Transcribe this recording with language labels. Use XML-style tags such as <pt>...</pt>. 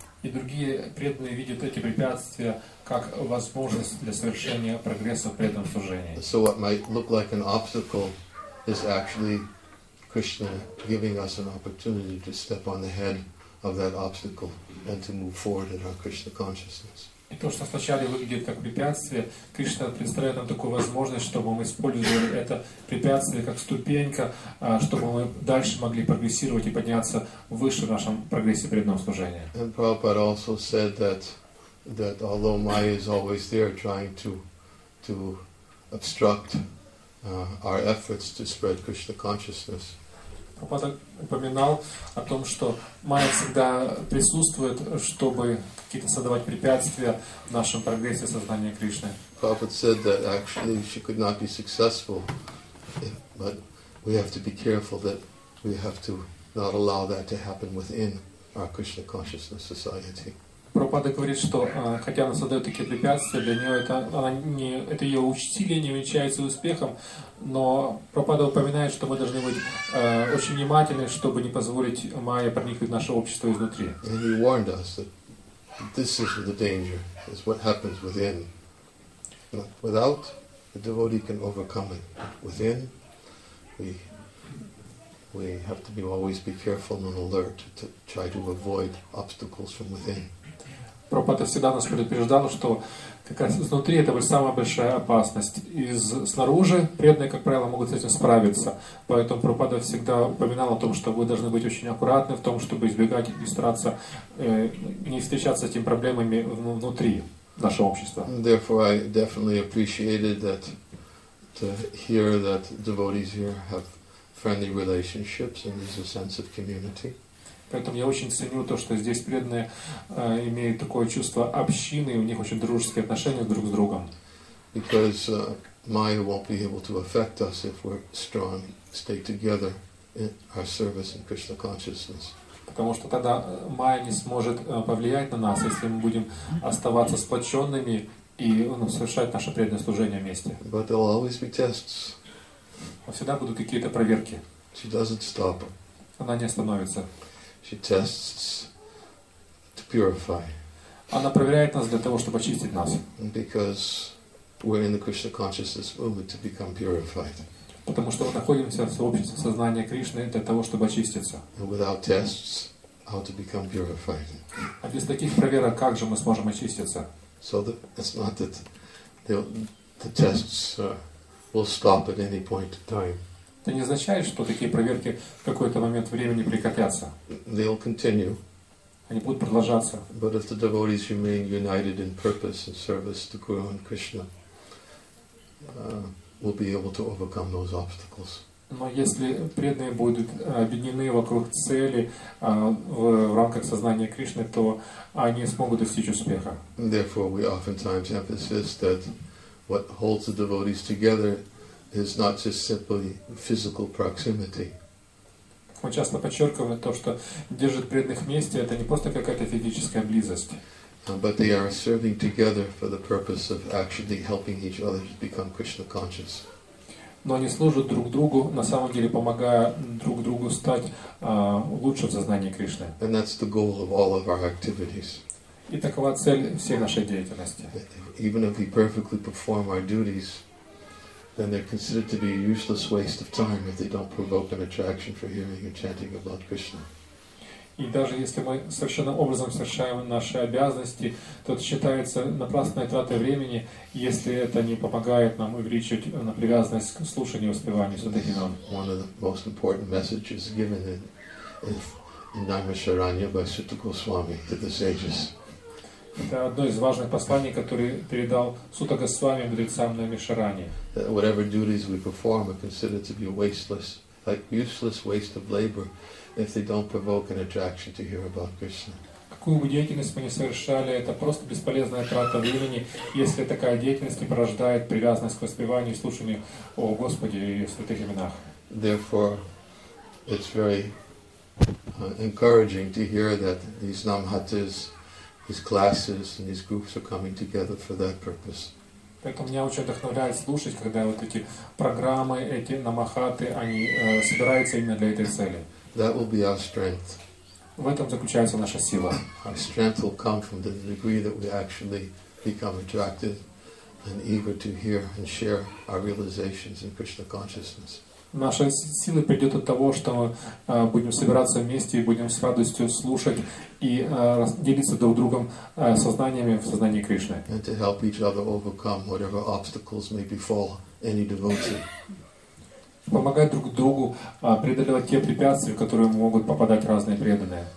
<ru>И другие преданные видят эти препятствия как возможность для совершения прогресса в преданном служении.</ru> <en>So what might look like an obstacle is actually Krishna giving us an opportunity to step on the head of that obstacle and to move forward in our Krishna consciousness.</en> <ru>И то, что вначале выглядит как препятствие, Кришна представляет нам такую возможность, чтобы мы использовали это препятствие как ступенька, чтобы мы дальше могли прогрессировать и подняться выше в нашем прогрессе преданного служения.</ru> <en>And Prabhupada also said that although Maya is always there trying to obstruct our efforts to spread Krishna consciousness.</en> <ru>Прабхупада упоминал о том, что майя всегда присутствует, чтобы какие-то создавать препятствия в нашем прогрессе сознания Кришны.</ru> <en>Prabhupada said that actually she could not be successful, but we have to be careful that we have to not allow that to happen within our Krishna consciousness society.</en> <ru>Прабхупада говорит, что хотя она создает такие препятствия, для нее это ее усилие не увенчается успехом, но Прабхупада упоминает, что мы должны быть очень внимательны, чтобы не позволить майе проникнуть в наше общество изнутри.</ru> <en>And he warned us that this is the danger, is what happens within. Without, the devotee can overcome it. Within, we have to be always be careful and alert to try to avoid obstacles from within.</en> <ru>Прабхупада всегда нас предупреждал, что как раз изнутри это самая большая опасность. Из снаружи преданные, как правило, могут с этим справиться. Поэтому Прабхупада всегда упоминал о том, что вы должны быть очень аккуратны в том, чтобы избегать и стараться не встречаться с этими проблемами внутри нашего общества.</ru> <en>Therefore, I definitely appreciated that to hear that devotees here have friendly relationships and there's a sense of community.</en> <ru>Поэтому я очень ценю то, что здесь преданные имеют такое чувство общины, и у них очень дружеские отношения друг с другом.</ru> <en>Because Maya won't be able to affect us if we're strong, stay together in our service in Krishna consciousness.</en> <ru>Потому что тогда Maya не сможет повлиять на нас, если мы будем оставаться сплоченными и совершать наше преданное служение вместе.</ru> <en>But there'll always be tests.</en> <ru>Всегда будут какие-то проверки.</ru> <en>She doesn't stop.</en> <ru>Она не остановится.</ru> <en>She tests to purify.</en> <ru>Она проверяет нас для того, чтобы очистить нас.</ru> <en>Because we're in the Krishna consciousness movement to become purified.</en> <ru>Потому что мы находимся в сообществе сознания Кришны для того, чтобы очиститься.</ru> <en>And without tests, how to become purified?</en> <ru>А без таких проверок как же мы сможем очиститься?</ru> <en>So it's not that the tests will stop at any point in time.</en> <ru>Это не означает, что такие проверки в какой-то момент времени прекратятся.</ru> <en>They'll continue.</en> <ru>они будут продолжаться.</ru> <en>But if the devotees remain united in purpose and service to Guru and Krishna, we'll be able to overcome those obstacles.</en> <ru>Но если преданные будут объединены вокруг цели в рамках сознания Кришны, то они смогут достичь успеха.</ru> <en>Therefore, we oftentimes emphasize that what holds the devotees together is not just simply physical proximity.</en> <ru>Мы часто подчеркиваем то, что держит преданных вместе, это не просто какая-то физическая близость.</ru> <en>But they are serving together for the purpose of actually helping each other to become Krishna conscious.</en> <ru>Но они служат друг другу, на самом деле помогая друг другу стать лучше в сознании Кришны.</ru> <en>And that's the goal of all of our activities.</en> <ru>И такова цель всей нашей деятельности.</ru> <en>Even if we perfectly perform our duties, then they're considered to be a useless waste of time if they don't provoke an attraction for hearing and chanting about Krishna.</en> <ru>И даже если мы совершенно образом совершаем наши обязанности, то это считается напрасной тратой времени, если это не помогает нам увеличить привязанность к слушанию и успеванию Садхинам.</ru> <en>One of the most important messages given in Naimisharanya by Sutta Goswami to the sages.</en> <ru>Это одно из важных посланий, которое передал Сутта Госвами мудрецам на Наймишаране.</ru> <en>Whatever duties we perform are considered to be wasteless, like useless waste of labor, if they don't provoke an attraction to hear about Krishna.</en> <ru>Какую бы деятельность мы ни совершали, это просто бесполезная трата времени, если такая деятельность не порождает привязанность к воспеванию и слушанию о Господе и святых именах.</ru> <en>Therefore, it's very encouraging to hear that these namhatas, these classes and these groups are coming together for that purpose.</en> <ru>Поэтому меня очень вдохновляет слушать, когда вот эти программы, эти намахаты, они собираются именно для этой цели.</ru> <en>That will be our strength.</en> <ru>В этом заключается наша сила.</ru> <en>Our strength will come from the degree that we actually become attracted and eager to hear and share our realizations in Krishna consciousness.</en> <ru>Наша сила придет от того, что мы будем собираться вместе и будем с радостью слушать и делиться друг другом сознаниями в сознании Кришны.</ru> <en>And to help each other overcome whatever obstacles may befall any devotee.</en> <ru>Помогать друг другу преодолевать те препятствия, в которые могут попадать разные преданные.</ru>